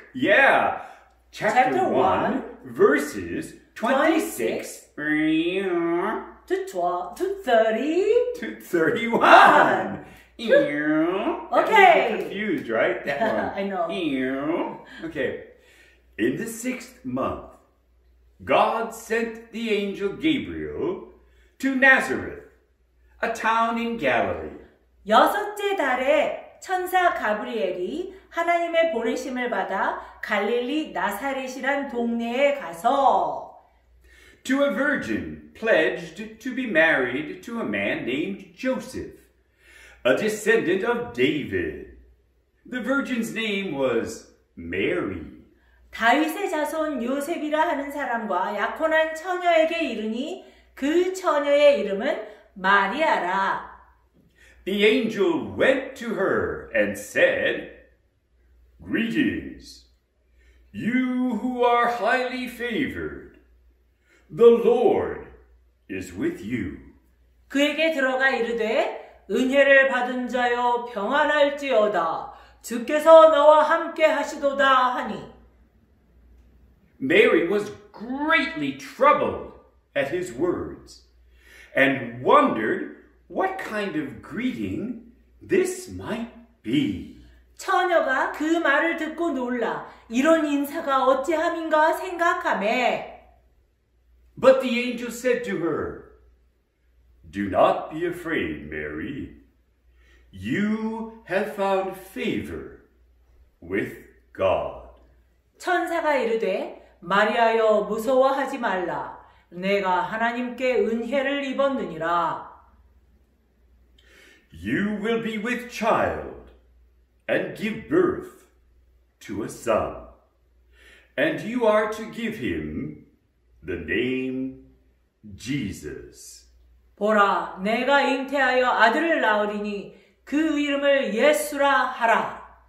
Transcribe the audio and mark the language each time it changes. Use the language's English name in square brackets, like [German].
[English] Yeah. Chapter 1, verses 26 to 31. Okay. Confused, right? That one. I know. Okay. In the sixth month, God sent the angel Gabriel to Nazareth, a town in Galilee. [Korean] 여섯째 달에 천사 가브리엘이 하나님의 보내심을 받아 갈릴리 나사렛이란 동네에 가서 [English] To a virgin pledged to be married to a man named Joseph, a descendant of David. The virgin's name was Mary. [Korean] 다윗의 자손 요셉이라 하는 사람과 약혼한 처녀에게 이르니 그 처녀의 이름은 마리아라. [English] The angel went to her and said, Greetings, you who are highly favored, the Lord is with you. [Korean] 그에게 들어가 이르되, 은혜를 받은 자여 평안할지어다, 주께서 너와 함께 하시도다 하니. [English] Mary was greatly troubled at his words and wondered what kind of greeting this might be. [Korean] 처녀가 그 말을 듣고 놀라 이런 인사가 어찌함인가 생각하매. [English] But the angel said to her, Do not be afraid, Mary. You have found favor with God. [Korean] 천사가 이르되, 마리아여 무서워하지 말라. 내가 하나님께 은혜를 입었느니라. [English] You will be with child and give birth to a son, and you are to give him the name Jesus. [Korean] 보라, 내가 잉태하여 아들을 낳으리니 그 이름을 예수라 하라.